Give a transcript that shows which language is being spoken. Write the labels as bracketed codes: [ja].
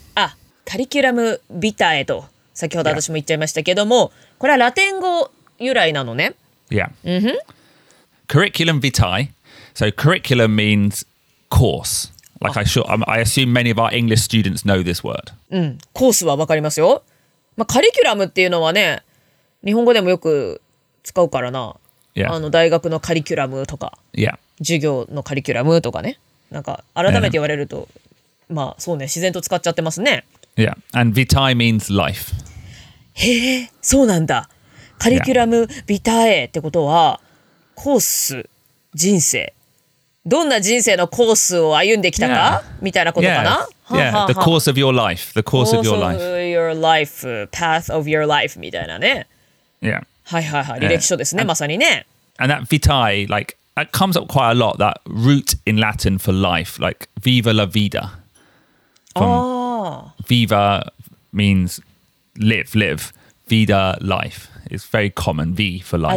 [ja] Ah, curriculum vitae と先ほど私も言っちゃいましたけども、これはラテン語由来なのね。 [en] Yeah. Mm-hmm. Curriculum vitae. So curriculum means course. Like I assume many of our English students know this word. [ja] Course はわかりますよ。まあ、カリキュラムっていうのはね、日本語でもよく使うからな。 [en] Yeah. [ja] あの大学のカリキュラムとか、 [en] yeah. [ja] 授業のカリキュラムとかね、なんか改めて言われると、yeah. まあそうね、自然と使っちゃってますね。 [en] Yeah, and vitae means life. [ja] へえ、そうなんだ。カリキュラム、yeah. vitae ってことはコース、人生。どんな人生のコースを歩んできたか、 [en] yeah. [ja] みたいなことかな。 [en] Yeah. はんはんはん、 the course of your life, the course of your life, course of your life, path of your life [ja] みたいなね。 [en] Yeah. [ja] はいはいはい、履歴書ですね、まさにね。 [en] And that vitae, like, that comes up quite a lot, that root in Latin for life, like, [es] viva la vida. [en] Viva means live. Vida, life. It's very common, V for life.